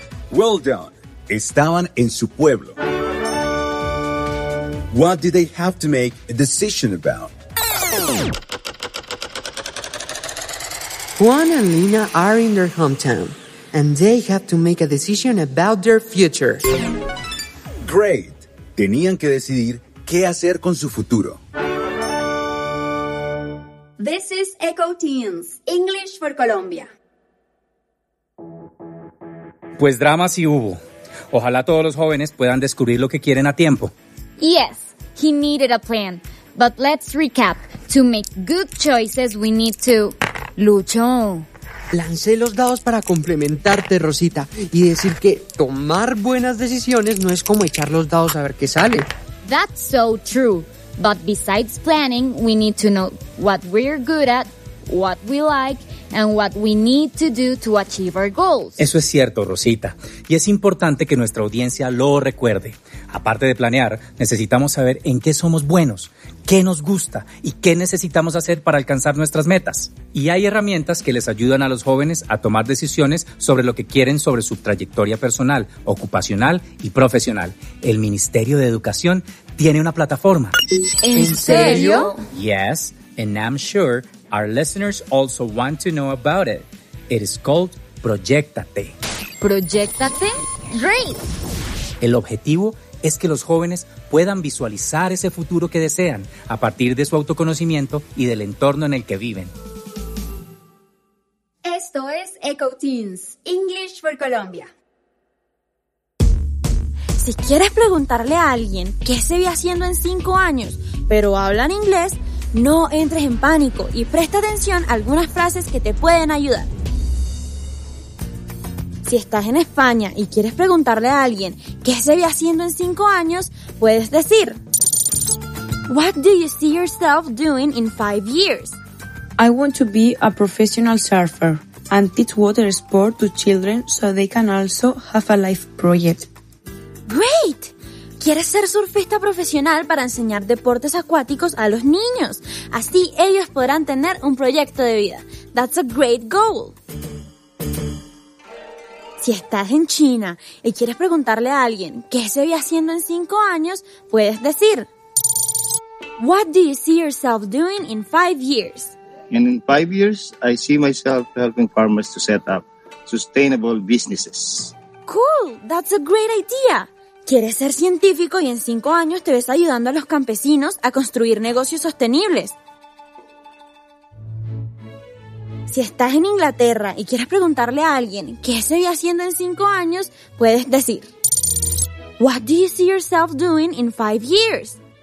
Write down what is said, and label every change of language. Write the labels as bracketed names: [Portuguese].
[English] Well done. [Spanish] Estaban en su pueblo. [English] What did they have to make a decision about? Juan and Lina are in their hometown, and they have to make a decision about their future. Great! [Spanish] Tenían que decidir qué hacer con su futuro. [English] This is Echo Teens, English for Colombia. [Spanish] Pues drama sí hubo. Ojalá todos los jóvenes puedan descubrir lo que quieren a tiempo. [English] Yes, he needed a plan. But let's recap. To make good choices, we need to... Lucho. [Spanish] Lancé los dados para complementarte, Rosita, y decir que tomar buenas decisiones no es como echar los dados a ver qué sale. [English] That's so true. But besides planning, we need to know what we're good at, what we like, and what we need to do to achieve our goals. [Spanish] Eso es cierto, Rosita. Y es importante que nuestra audiencia lo recuerde. Aparte de planear, necesitamos saber en qué somos buenos, qué nos gusta y qué necesitamos hacer para alcanzar nuestras metas. Y hay herramientas que les ayudan a los jóvenes a tomar decisiones sobre lo que quieren sobre su trayectoria personal, ocupacional y profesional. El Ministerio de Educación tiene una plataforma. ¿En serio? [English] Yes, and I'm sure our listeners also want to know about it. It is called Proyéctate. ¿Proyéctate? Great! [Spanish] El objetivo es que los jóvenes puedan visualizar ese futuro que desean a partir de su autoconocimiento y del entorno en el que viven. Esto es Echo Teens, English for Colombia. Si quieres preguntarle a alguien qué se ve haciendo en 5 años, pero hablan inglés, no entres en pánico y presta atención a algunas frases que te pueden ayudar. Si estás en España y quieres preguntarle a alguien qué se ve haciendo en 5 años, puedes decir: [English] What do you see yourself doing in 5 years? I want to be a professional surfer and teach water sport to children so they can also have a life project. Great! [Spanish] Quieres ser surfista profesional para enseñar deportes acuáticos a los niños. Así ellos podrán tener un proyecto de vida. [English] That's a great goal. [Spanish] Si estás en China y quieres preguntarle a alguien qué se ve haciendo en 5 años, puedes decir: [English] What do you see yourself doing in 5 years? And in 5 years, I see myself helping farmers to set up sustainable businesses. Cool, that's a great idea. [Spanish] Quieres ser científico y en 5 años te ves ayudando a los campesinos a construir negocios sostenibles. Si estás en Inglaterra y quieres preguntarle a alguien qué se ve haciendo en 5 años, puedes decir: [English] What do you see yourself doing in 5 years?